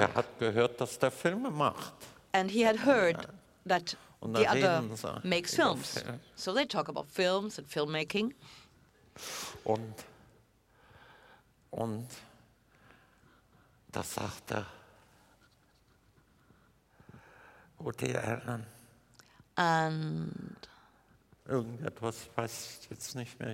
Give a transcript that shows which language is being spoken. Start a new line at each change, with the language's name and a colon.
German: Der hat gehört, dass der Filme macht.
English: And he had heard that
German: und
English: the other makes films. So they talk about films and filmmaking.
German: Und da sagt er, Woody Allen.
English: And
German: irgendetwas weiß ich jetzt nicht mehr.